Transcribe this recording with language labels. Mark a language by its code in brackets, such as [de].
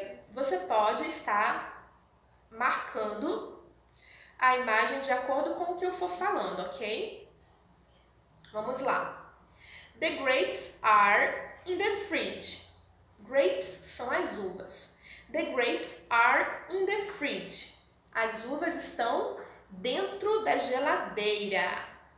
[pt] Você pode estar marcando a imagem de acordo com o que eu for falando, ok? Vamos lá. [en] The grapes are in the fridge. [pt] Grapes são as uvas. [en] The grapes are in the fridge. [pt] As uvas estão dentro da geladeira.